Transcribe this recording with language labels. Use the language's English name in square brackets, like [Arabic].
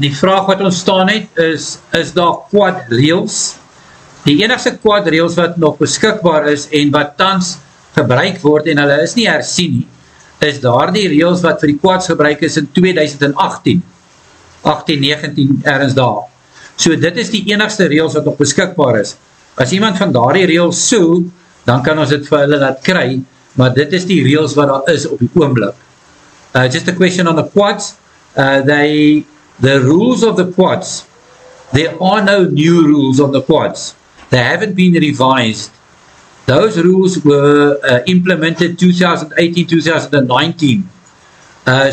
[Afrikaans] Die vraag wat ontstaan het is, is daar quad reels? Die enigste quad reels wat nog beskikbaar is en wat tans gebruik word en hulle is nie hersien nie, is daar die reels wat vir die quads gebruik is in 2018-19 ergens daar. So dit is die enigste reels wat nog beskikbaar is. As iemand van daardie reels sou, dan kan ons dit vir hulle laat kry, maar dit is die reels wat daar is op die oomblik. [English] Just a question on the quads. The rules of the quads there are no new rules on the quads. They haven't been revised. Those rules were implemented 2018-2019.